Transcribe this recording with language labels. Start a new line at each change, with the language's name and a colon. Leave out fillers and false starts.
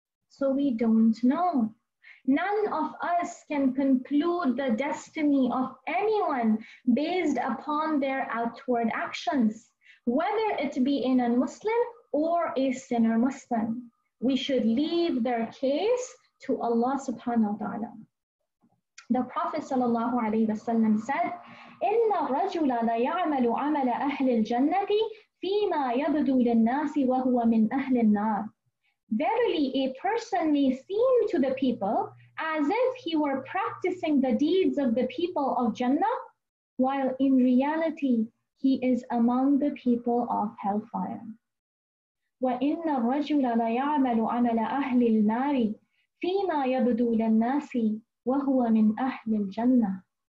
English: So we don't know. None of us can conclude the destiny of anyone based upon their outward actions, whether it be in a Muslim or a sinner Muslim. We should leave their case to Allah subhanahu wa ta'ala. The Prophet sallallahu alayhi wa sallam said,
Arabic: إِنَّ الرَّجُلَ لَيَعْمَلُ عَمَلَ أَهْلِ الْجَنَّةِ فِيمَا يَبْدُو لِلنَّاسِ وَهُوَ مِنْ أَهْلِ النَّارِ.
English: Verily, a person may seem to the people as if he were practicing the deeds of the people of Jannah, while in reality, he is among the people of hellfire.
Arabic: وَإِنَّ الرَّجُلَ لَيَعْمَلُ عَمَلَ أَهْلِ النَّارِ فِيمَا يَبْدُو لِلنَّاسِ وَهُوَ مِنْ أَهْلِ الْجَنَّةِ.